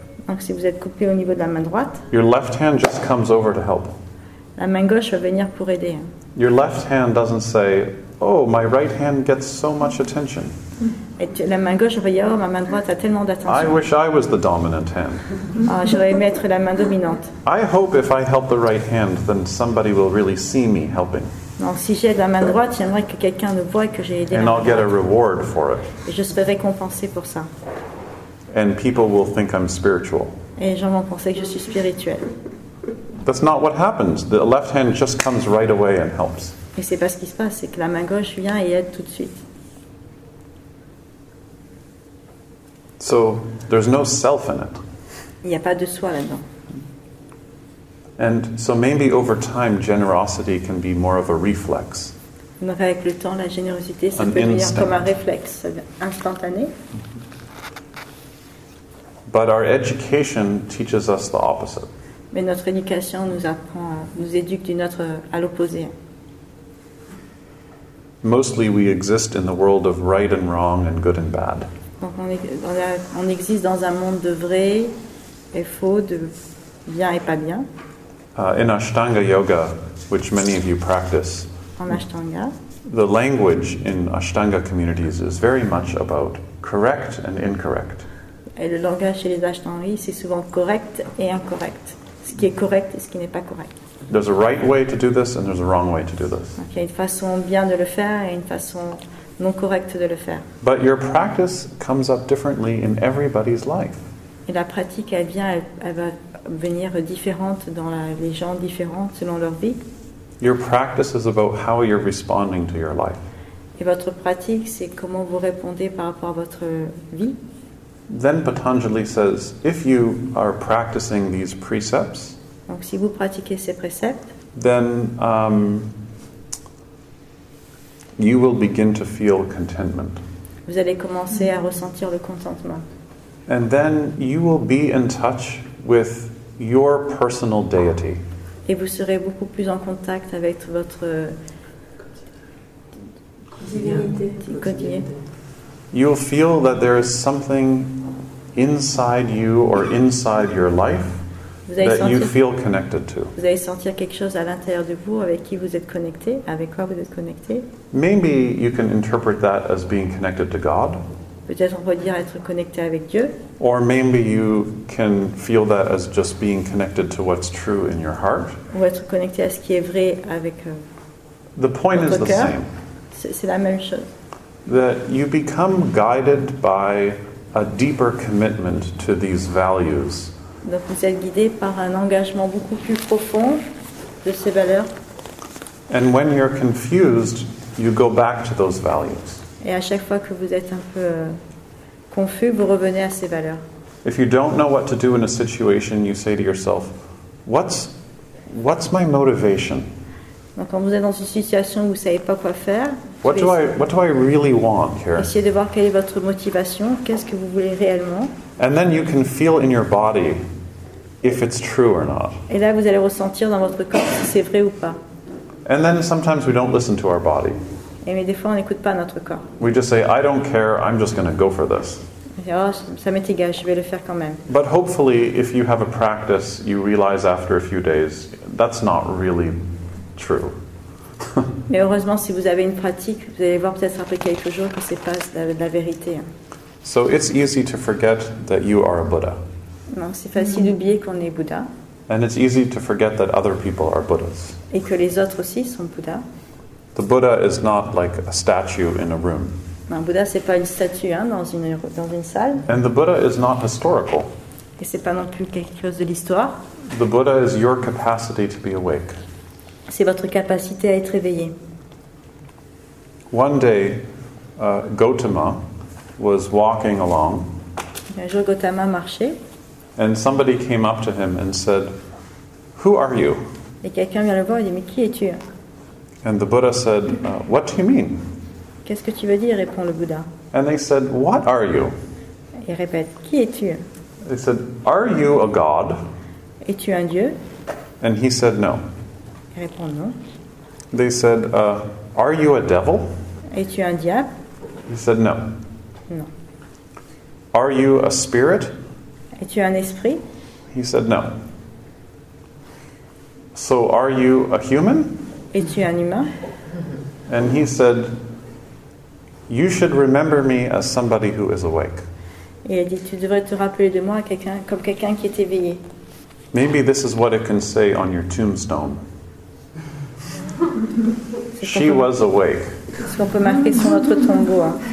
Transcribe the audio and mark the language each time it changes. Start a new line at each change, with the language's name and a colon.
French: donc si vous êtes coupé au niveau de la main droite,
English: your left hand just comes over to help.
French: La main gauche va venir pour aider.
English: Your left hand doesn't say, oh, my right hand gets so much attention.
French: Et la main gauche va dire, oh, ma main droite a tellement d'attention.
English: I wish I was the dominant hand.
French: Oh, j'aurais aimé être la main dominante.
English: I hope if I help the right hand, then somebody will really see me helping.
French: Non, si j'aide la main droite, j'aimerais que quelqu'un le voie que j'ai aidé.
English: And I'll get a reward for it.
French: Et je serai récompensé pour ça.
English: And people will think I'm spiritual.
French: Et les gens vont penser que je suis spirituel.
English: That's not what happens. The left hand just comes right away and helps.
French: Et c'est pas ce qui se passe, c'est que la main gauche vient et aide tout de suite.
English: So there's no self in it.
French: Il n'y a pas de soi là-dedans.
English: And so maybe over time generosity can be more of a reflex.
French: Donc avec le temps, la générosité, ça peut devenir comme un réflexe instantané.
English: But our education teaches us the opposite.
French: Mais notre éducation nous éduque d'une autre à l'opposé.
English: Mostly we exist in the world of right and wrong and good and bad.
French: Donc on existe dans un monde de vrai et faux, de bien et pas bien.
English: In Ashtanga yoga, which many of you practice,
French: en Ashtanga,
English: the language in Ashtanga communities is very much about correct and incorrect.
French: Et le langage chez les Ashtangis, c'est souvent correct et incorrect. Ce qui est correct et ce qui n'est pas correct.
English: There's a right way to do this and there's a wrong way to do this.
French: Donc, il y a une façon bien de le faire et une façon non correcte de le faire.
English: But your practice comes up differently in everybody's life.
French: Et la pratique, elle va venir différente dans les gens différents selon leur vie.
English: Your practice is about how you're responding to your life.
French: Et votre pratique, c'est comment vous répondez par rapport à votre vie.
English: Then Patanjali says, if you are practicing these precepts,
French: donc, si vous pratiquez ces préceptes,
English: then you will begin to feel contentment.
French: Vous allez commencer à ressentir le contentement.
English: And then you will be in touch with your personal deity.
French: Et vous serez beaucoup plus en contact avec votre divinité.
English: You will feel that there is something inside you or inside your life that you feel connected to.
French: Vous allez sentir quelque chose à l'intérieur de vous avec qui vous êtes connecté, avec quoi vous êtes connecté.
English: Maybe you can interpret that as being connected to God.
French: Peut-être on peut dire être connecté avec Dieu.
English: Or maybe you can feel that as just being connected to what's true in your heart.
French: Ou être connecté à ce qui est vrai avec votre cœur.
English: The point is the same.
French: C'est la même chose.
English: That you become guided by a deeper commitment to these values.
French: Donc vous êtes guidé par un engagement beaucoup plus profond de ces valeurs.
English: And when you're confused, you go back to those values.
French: Et à chaque fois que vous êtes un peu confus, vous revenez à ces valeurs.
English: If you don't know what to do in a situation, you say to yourself, what's my motivation?
French: Donc, quand vous êtes dans une situation où vous savez pas quoi faire,
English: what do I really want here?
French: Essayez de voir quelle est votre motivation, qu'est-ce que vous voulez réellement?
English: And then you can feel in your body if it's true or not.
French: Et là, vous allez ressentir dans votre corps si c'est vrai ou pas.
English: And then sometimes we don't listen to our body.
French: Et mais des fois, on n'écoute pas notre corps.
English: We just say, I don't care, I'm just going to go for this.
French: Oh, ça m'est égal, je vais le faire quand même.
English: But hopefully, if you have a practice, you realize after a few days, that's not really true.
French: Mais heureusement, si vous avez une pratique, vous allez voir peut-être après quelques jours que c'est pas la vérité.
English: So it's easy to forget that you are a Buddha.
French: Non, c'est facile d'oublier qu'on est Bouddha.
English: And it's easy to forget that other people are Buddhas.
French: Et que les autres aussi sont Bouddhas.
English: The Buddha is not like a statue in a room.
French: Un Bouddha, c'est pas une statue hein, dans une salle.
English: And the Buddha is not historical.
French: Et c'est pas non plus quelque chose de l'histoire.
English: The Buddha is your capacity to be awake.
French: C'est votre capacité à être éveillé.
English: One day, Gautama was walking along.
French: Un jour, Gautama marchait.
English: And somebody came up to him and said, "Who are you?"
French: Et quelqu'un vient le voir et dit, "Mais qui es-tu?"
English: And the Buddha said, "What do you mean?"
French: Qu'est-ce que tu veux dire? Répond le Bouddha.
English: And they said, "What are you?"
French: Il répète, qui es-tu?
English: They said, "Are you a god?"
French: Es-tu un dieu?
English: And he said, "No."
French: Il répond, non.
English: They said, "Are you a devil?"
French: Es-tu un diable?
English: He said, "No."
French: Non.
English: "Are you a spirit?"
French: Es-tu un esprit?
English: He said, "No." "So are you a human?"
French: Es-tu un humain?
English: And he said, "You should remember me as somebody who is awake."
French: Et il dit, tu devrais te rappeler de moi comme quelqu'un qui est éveillé.
English: Maybe this is what it can say on your tombstone. She was awake.
French: Ce qu'on peut marquer sur notre tombeau, hein.